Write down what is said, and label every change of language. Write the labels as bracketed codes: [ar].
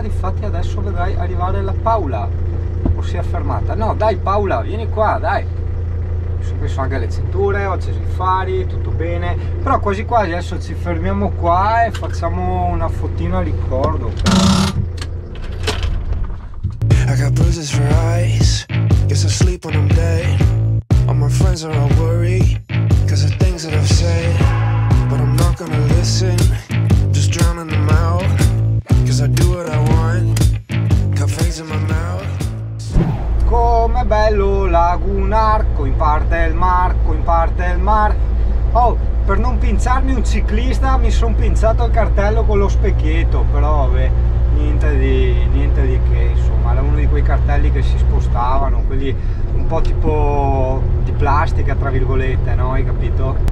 [it] Difatti adesso vedrai arrivare la Paula, o si è fermata. No, dai Paula, vieni qua, dai. Mi sono messo anche le cinture, ho acceso i fari, tutto bene. Però quasi quasi adesso ci fermiamo qua e facciamo una fottina a ricordo. [en] I got bruises for eyes, guess I sleep when I'm dead. All my friends are all worried, cause of things that I've said. But I'm not gonna listen, just drowning them out. Cause I do what I want, cafes in my mouth. [it] Com'è bello lagunarco, in parte il mar, in parte il mar. Oh, per non pinciarmi un ciclista mi sono pinciato il cartello con lo specchietto, però vabbè, niente di che, insomma, era uno di quei cartelli che si spostavano, quelli un po' tipo di plastica, tra virgolette, no? Hai capito?